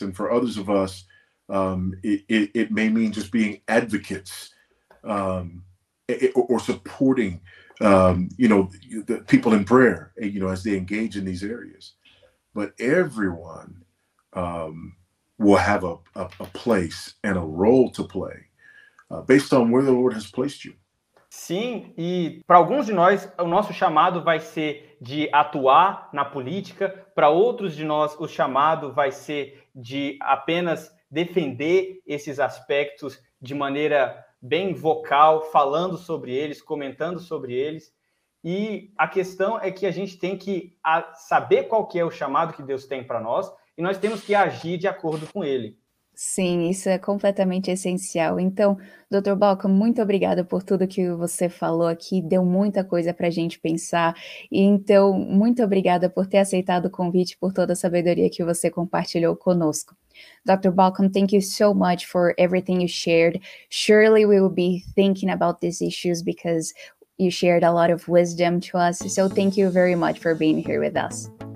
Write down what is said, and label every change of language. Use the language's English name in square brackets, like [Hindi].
[English] And for others of us, it may mean just being advocates or supporting, the people in prayer, as they engage in these areas. But everyone will have a place and a role to play based on where the Lord has placed you. [Portuguese] Sim, e para alguns de nós, o nosso chamado vai ser de atuar na política, para outros de nós, o chamado vai ser de apenas defender esses aspectos de maneira bem vocal, falando sobre eles, comentando sobre eles. E a questão é que a gente tem que saber qual que é o chamado que Deus tem para nós, e nós temos que agir de acordo com ele. Sim, isso é completamente essencial. Então, Dr. Balcom, muito obrigada por tudo que você falou aqui, deu muita coisa para a gente pensar. Então, muito obrigada por ter aceitado o convite, por toda a sabedoria que você compartilhou conosco. Dr. [English] Balcom, thank you so much for everything you shared. Surely we will be thinking about these issues because you shared a lot of wisdom to us. So thank you very much for being here with us.